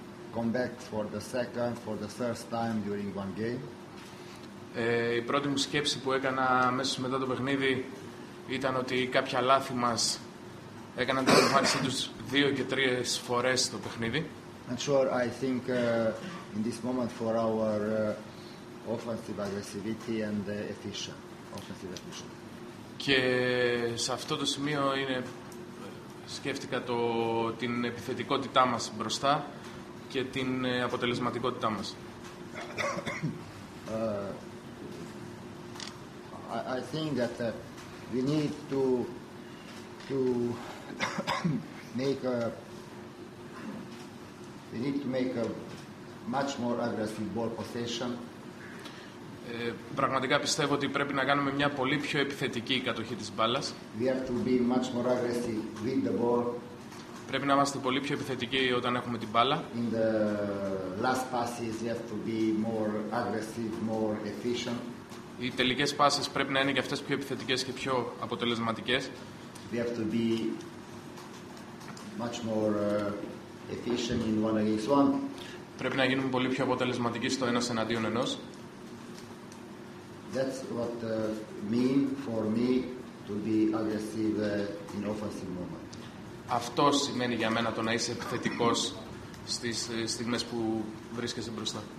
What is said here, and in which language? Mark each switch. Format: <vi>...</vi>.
<en>Come back for the second, for the third time during one game.</en> <el>Η πρώτη μου σκέψη που έκανα αμέσως μετά το παιχνίδι ήταν ότι κάποια λάθη μας έκαναν την εμφάνισή τους δύο και τρεις φορές το παιχνίδι.</el> <en>Not sure. I think in this moment for our offensive aggressivity and efficient offensive efficiency.</en> <el>Και σε αυτό το σημείο είναι σκέφτηκα το την επιθετικότητά μας μπροστά και την αποτελεσματικότητά μας.</el> <en>I think that we need to make a we need to make a much more aggressive ball possession.</en> <el>Πραγματικά πιστεύω ότι πρέπει να κάνουμε μια πολύ πιο επιθετική κατοχή της μπάλας.</el> <en>We have to be much more aggressive with the ball.</en> <el>Πρέπει να είμαστε πολύ πιο επιθετικοί όταν έχουμε την μπάλα.</el> <en>In the last passes, we have to be more aggressive, more efficient.</en> <el>Οι τελικές πάσες πρέπει να είναι και αυτές πιο επιθετικές και πιο αποτελεσματικές.</el> <en>We have to be much more efficient in one against one.</en> <el>Πρέπει να γίνουμε πολύ πιο αποτελεσματικοί στο ένας εναντίον ενός.</el> <en>That's what mean for me to be aggressive in offensive moment.</en> <el>Αυτό σημαίνει για μένα το να είσαι επιθετικός στις στιγμές που βρίσκεσαι μπροστά.</el>